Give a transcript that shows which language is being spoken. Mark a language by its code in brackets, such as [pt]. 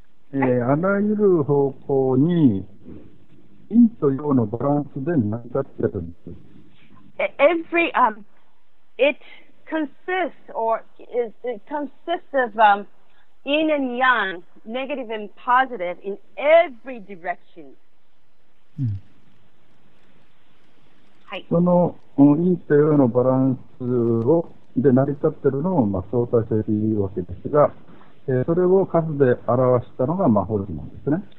[ja] あらゆる方向に陰と陽のバランスで成り立っているんです。 [en] Every, it consists of yin and yang, negative and positive, in every direction. [ja] その陰と陽のバランスで成り立っているのを相対性というわけですが、それを数で表したのが魔法陣なんですね。